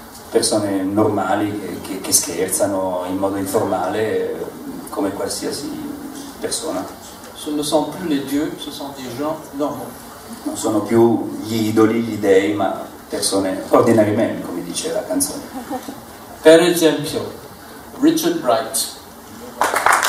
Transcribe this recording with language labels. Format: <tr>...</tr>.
<it>Persone normali che scherzano in modo informale, come qualsiasi persona.</it> <fr>Ce ne sont plus les dieux, ce sont des gens normaux.</fr> <it>Non sono più gli idoli, gli dèi, ma persone ordinariamente, come dice la canzone. Per esempio, Richard Wright.</it>